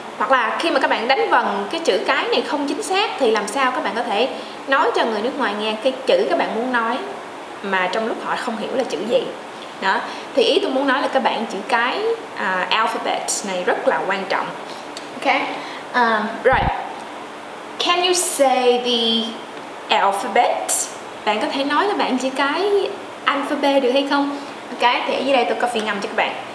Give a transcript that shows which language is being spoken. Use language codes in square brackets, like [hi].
[vi] Hoặc là khi mà các bạn đánh vần cái chữ cái này không chính xác thì làm sao các bạn có thể nói cho người nước ngoài nghe cái chữ các bạn muốn nói mà trong lúc họ không hiểu là chữ gì đó. Thì ý tôi muốn nói là các bạn chữ cái alphabet này rất là quan trọng. [en] Ok, right, can you say the alphabet? [vi] Bạn có thể nói cho bạn chữ cái alphabet được hay không? Ok, thì ở dưới đây tôi có phiên âm cho các bạn.